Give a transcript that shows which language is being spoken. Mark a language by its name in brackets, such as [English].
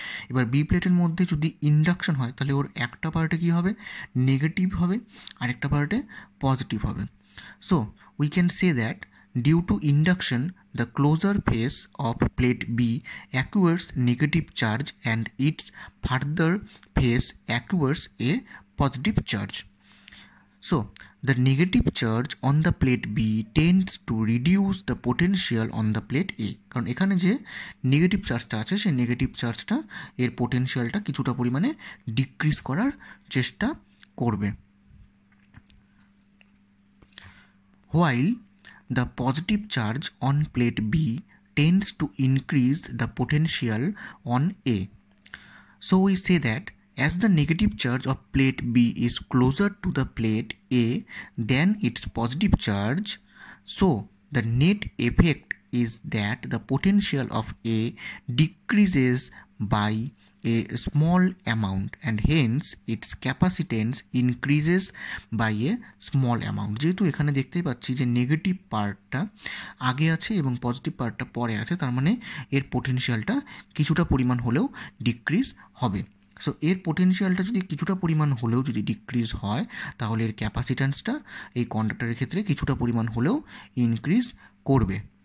[Bangla] এবার বি প্লেটের মধ্যে যদি ইন্ডাকশন হয় তাহলে ওর একটা পার্টে কী হবে, নেগেটিভ হবে, আরেকটা পার্টে পজিটিভ হবে। [English] So we can say that due to induction the closer face of plate B acquires negative charge and its further face acquires a positive charge. So The negative charge on the plate B tends to reduce the potential on the plate A. [Bangla] কারণ এখানে যে negative চার্জটা আছে সেই negative চার্জটা এর পোটেনশিয়ালটা কিছুটা পরিমাণে ডিক্রিজ করার চেষ্টা করবে. [English] While the positive charge on plate B tends to increase the potential on A. So we say that as the negative charge of plate B is closer to the plate A than its positive charge, so the net effect is that the potential of A decreases by a small amount and hence its capacitance increases by a small amount. [Bangla] যেহেতু এখানে দেখতেই পাচ্ছি যে negative পার্টটা আগে আছে এবং positive পার্টটা পরে আছে, তার মানে এর পোটেনশিয়ালটা কিছুটা পরিমাণ হলেও ডিক্রিজ হবে. সো এর পোটেনশিয়ালটা যদি কিছুটা পরিমাণ হলেও যদি ডিক্রিজ হয় তাহলে এর ক্যাপাসিটেন্সটা এই কন্ডাক্টরের ক্ষেত্রে কিছুটা পরিমাণ হলেও ইনক্রিজ করবে.